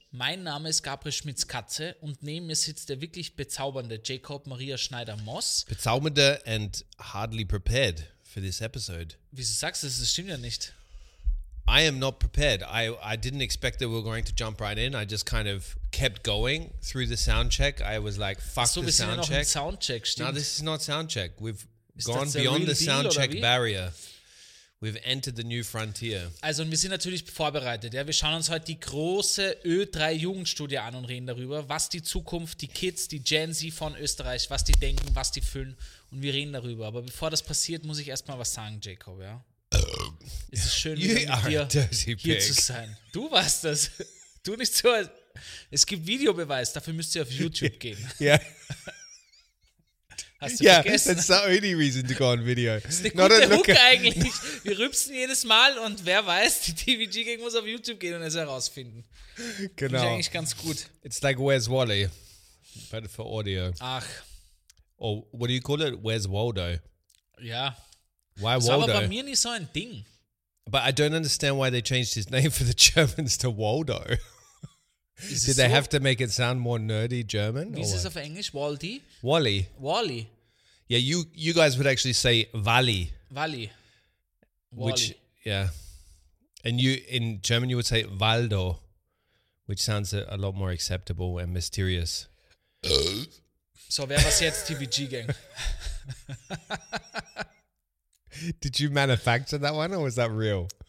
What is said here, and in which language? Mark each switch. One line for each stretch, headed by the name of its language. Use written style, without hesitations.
German: Mein Name ist Gabriel Schmitz-Katze und neben mir sitzt der wirklich bezaubernde Jacob Maria Schneider-Moss.
English: Bezaubernde and hardly prepared for this episode.
German: Wieso sagst du das? Das stimmt ja nicht.
English: I am not prepared. I didn't expect that we were going to jump right in. I just kind of kept going through the soundcheck. I was like, fuck so, the soundcheck.
German: Achso, wir sind ja noch im soundcheck, stimmt.
English: No, this is not soundcheck. We've ist gone beyond the soundcheck deal, barrier. We've entered the new frontier.
German: Also, und wir sind natürlich vorbereitet. Ja, wir schauen uns heute die große Ö3 Jugendstudie an und reden darüber, was die Zukunft, die Kids, die Gen Z von Österreich, was die denken, was die fühlen. Und wir reden darüber. Aber bevor das passiert, muss ich erstmal was sagen, Jacob. Ja? Es ist schön, wieder mit dir hier zu sein. Du warst das. Du nicht so. Es gibt Videobeweis, dafür müsst ihr auf YouTube gehen. Ja. Yeah. Hast du vergessen?
English: Yeah, that's the only reason to go on video.
German: Das ist eine gute Hook eigentlich. Wir rübsen jedes Mal und wer weiß, die TVG Gang muss auf YouTube gehen und es herausfinden. Genau. Das ist eigentlich ganz gut.
English: It's like Where's Wally, but for audio. Ach. Or what do you call it? Where's Waldo? Ja. Why Waldo?
German: Das war aber bei mir nicht so ein Ding.
English: But I don't understand why they changed his name for the Germans to Waldo. Is Did they have to make it sound more nerdy German?
German: Wie ist es auf Englisch? Waldi?
English: Wally. Wally. Yeah, you guys would actually say Wally. Wally. Which, yeah. And you, in German, you would say Waldo, which sounds a lot more acceptable and mysterious.
German: So, wer was jetzt TVG Gang?
English: Did you manufacture that one or was that real?